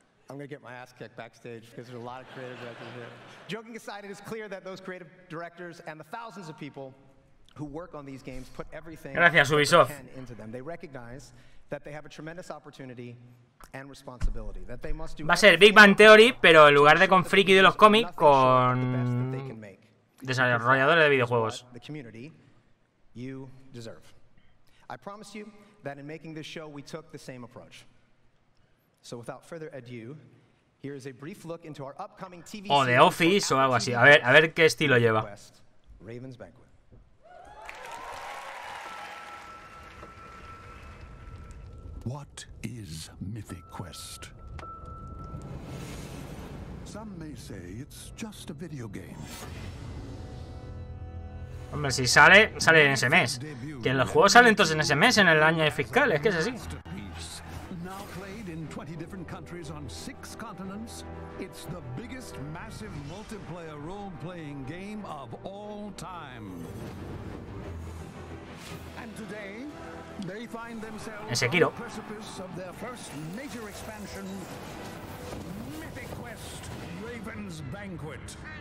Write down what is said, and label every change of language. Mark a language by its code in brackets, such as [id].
[en] I'm gonna get my ass kicked backstage because there's a lot of creative directors here. Joking aside, it is clear that those creative directors and the thousands of people who work on these games put everything they can into them. They recognize that they have a tremendous opportunity and responsibility. That they must do. [es] Va a ser Big Bang Theory, pero en lugar de con friki de los cómics, con desarrolladores de videojuegos. [en] The community you deserve. I promise you that in making this show, we took the same approach. So without further ado, here is a brief look into our upcoming TV [es] show. The Office o algo así. A ver qué estilo lleva. [en] Raven's Banquet. What is Mythic Quest? Some may say it's just a video game. [es] Hombre, si sale en ese mes. Que los juegos salen entonces en ese mes, en el año fiscal, es que es así. [en] Now played in 20 different countries on 6 continents, it's the biggest massive multiplayer role-playing game of all time. And today, they find themselves on the precipice of their first major expansion, Mythic Quest: Raven's Banquet.